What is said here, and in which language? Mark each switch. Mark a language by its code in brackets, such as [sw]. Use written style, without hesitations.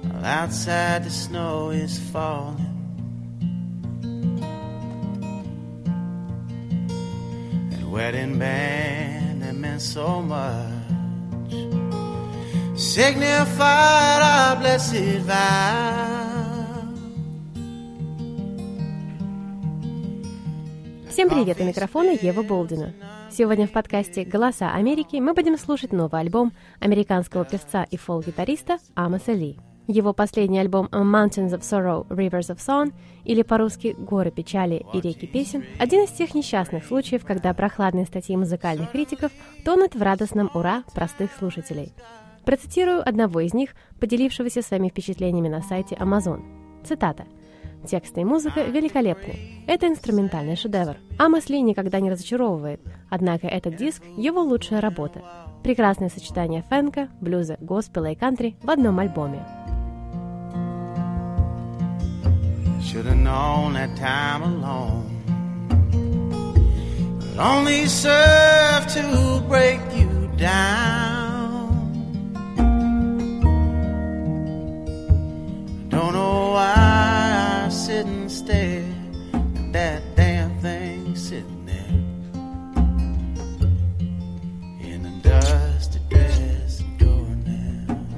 [en] Outside the snow is falling, and wedding band that meant so much signified our blessed vow. [ru] Всем привет, у микрофона Ева Болдина. Сегодня в подкасте «Голоса Америки» мы будем слушать новый альбом американского певца и фолк-гитариста Амоса Ли. Его последний альбом «Mountains of Sorrow, Rivers of Song», или по-русски «Горы печали и реки песен», один из тех несчастных случаев, когда прохладные статьи музыкальных критиков тонут в радостном «Ура!» простых слушателей. Процитирую одного из них, поделившегося своими впечатлениями на сайте Amazon. Цитата. Тексты и музыка великолепны. Это инструментальный шедевр. Амос Ли никогда не разочаровывает. Однако этот диск – его лучшая работа. Прекрасное сочетание фэнка, блюза, госпела и кантри в одном альбоме. [en] Should've known that time alone would only serve to break you down. Don't know why sit and stare at that damn thing sitting there in the dusty dress adoring now.